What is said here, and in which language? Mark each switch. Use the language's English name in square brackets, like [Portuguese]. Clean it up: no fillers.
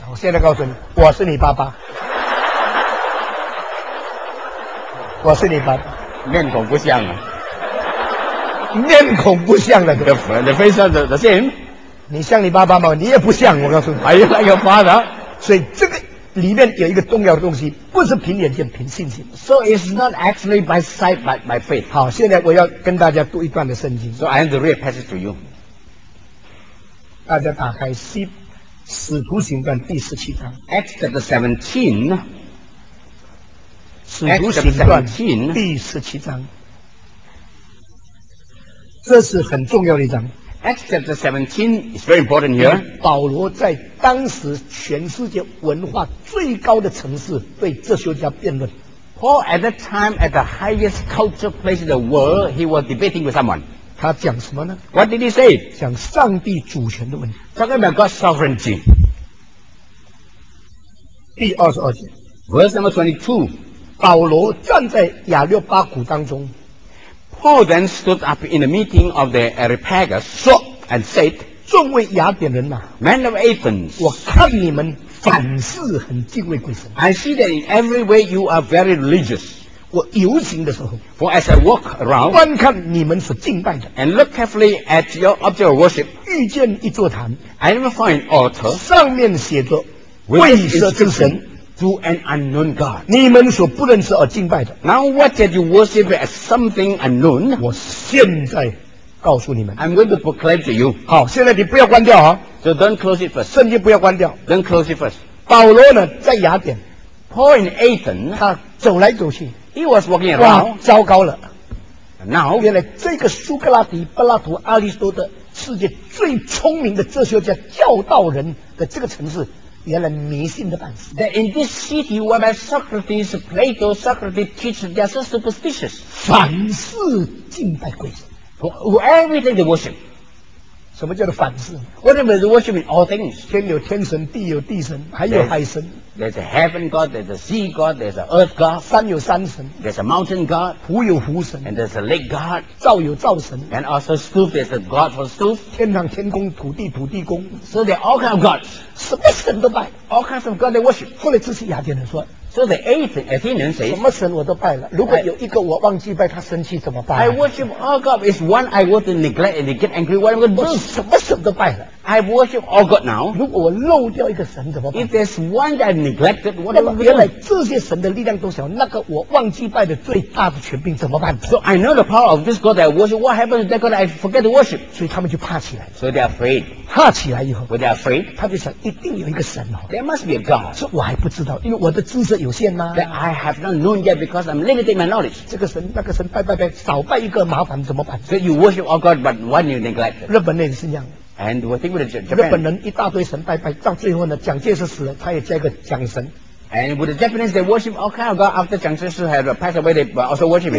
[Chinese] 我现在告诉你，我是你爸爸，我是你爸爸，面孔不像啊，面孔不像了 [English] ，The face is the same。 [Chinese] 你像你爸爸吗？你也不像，我告诉你 [English] ，Are you like your father？ [Chinese] 所以这个里面有一个重要的东西，不是凭眼见，凭信心。 [English] So it's not actually by sight, but by faith. [Chinese] 好，现在我要跟大家读一段的圣经。 [English] So I have to read a passage to you. [Chinese] 大家打开《使徒行传》第十七章。 [English] Acts chapter 17. [Chinese] 使徒行传第十七章。这是很重要的一章。 [English] Acts chapter 17 is very important here. [Chinese] 保罗在当时全世界文化最高的城市对哲学家辩论。 [English] Paul at that time at the highest culture place in the world, he was debating with someone. [Chinese] 他讲什么呢 [English] ？What did he say? [Chinese] 讲上帝主权的问题。 [English] Talking about God's sovereignty. [Chinese] 第22节。 [English] Verse number 22. [Chinese] 保罗站在亚六巴谷当中。 [English] Paul then stood up in the meeting of the Areopagus, so, and said, [Chinese] 众位雅典人啊 [English] ，Men of Athens, [Chinese] 我看你们凡事很敬畏鬼神。 [English] I see that in every way you are very religious. [Chinese] 我游行的时候 [English] ，For as I walk around, [Chinese] 观看你们所敬拜的 [English] ，And look carefully at your object of worship, [Chinese] 遇见一座坛 [English] ，I never find altar, [Chinese] 上面写着为色之神。 [English] To an unknown God. [Chinese] 你们所不认识而敬拜的。 [English] Now what did you worship as something unknown? [Chinese] 我现在告诉你们。 [English] I'm going to proclaim to you. [Chinese] 好，现在你不要关掉啊。 [English] So don't close it first. [Chinese] 圣经不要关掉。 [English] Don't close it first. [Chinese] 保罗呢，在雅典。 [English] Paul in Athens. [Chinese] 他走来走去。 [English] He was walking around. [Chinese] 糟糕了。 [English] Now. [Chinese] 原来这个苏格拉底、柏拉图、阿里斯多德世界最聪明的哲学家教导人的这个城市原来迷信的半死。 [English] That in this city whereby Socrates, Plato, Socrates teach they are so superstitious. [Chinese] 凡事敬拜鬼神。 [English] Everything they worship. [Chinese] 什么叫做凡事？ [English] Whatever they worship in all things. [Chinese] 天有天神，地有地神，还有海神。 [English] There's a heaven god, there's a sea god, there's an earth god. [Chinese] 山有山神。 [English] There's a mountain god. [Chinese] 湖有湖神。 [English] And there's a lake god. [Chinese] 灶有灶神。 [English] And also stove, there's a god for stove. [Chinese] 天堂天宫，土地土地宫。 [English] So there are all kinds of gods. [Chinese] 什么神都拜。 [English] All kinds of god they worship. [Chinese] 后来这些雅典人说。 [English] So the Athenian says. [Chinese] 什么神我都拜了。如果有一个我忘记拜他生气怎么办？ [English] I worship all god. It's one I want to neglect and they get angry. What I'm going to do? [Chinese] 什么神都拜了。 [English] I worship all God now. [Chinese] 如果我漏掉一个神怎么办？ [English] If there's one that I neglected, what am I doing? [Chinese] 原来这些神的力量都小，那个我忘记拜的最大的权柄怎么办？ [English] So I know the power of this God that I worship. What happens to that God I forget to worship? [Chinese] 所以他们就怕起来。 [English] So they're afraid. [Chinese] 怕起来以后。 [English] When they're afraid, [Chinese] 他就想一定有一个神哦。 [English] There must be a God. [Chinese] 说我还不知道，因为我的知识有限吗？ [English] That I have not known yet because I'm limited my knowledge. [Chinese] 这个神那个神拜拜拜，少拜一个麻烦怎么办？ [English] So you worship all God, but one you neglect. [Chinese] 日本人也是一样。 [English] And we think with Japan, [Chinese] 日本人一大堆神拜拜，到最后呢，蒋介石死了，他也加一个蒋神。 [English] And with the Japanese, they worship all kind of God. After 蒋介石 had passed away, they also worship him.